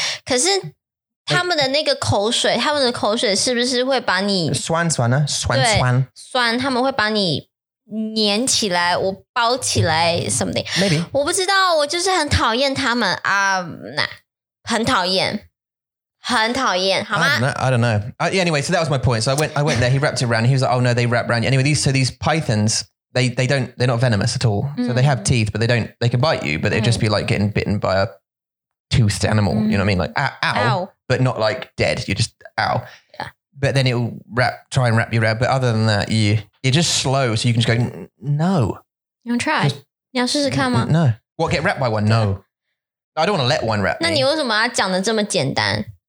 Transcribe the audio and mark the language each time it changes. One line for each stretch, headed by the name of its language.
Chinese: 可是他们的那个口水,他们的口水是不是会把你... 酸酸啊,酸酸。酸,他们会把你...粘起来，我包起来 ，
English: something maybe
Chinese: 我不知道，我就是很讨厌他们啊，那、很讨厌，很讨厌，好吗？
English: I don't know. Anyway, so that was my point. So I went there. He wrapped it around. He was like, oh no, they wrap around you. Anyway, these pythons, they're not venomous at all. Mm. So they have teeth, but they can bite you, but they'd just be like getting bitten by a toothed animal. Mm. You know what I mean? Like ow, but not like dead. You're just ow. Yeah. But then it'll try and wrap you around. But other than that, you're just slow. So you can just go, no. You want to try? You want to try? No. What, get wrapped by one? No. I don't want to let one wrap me.
Chinese: 那你为什么要讲的这么简单？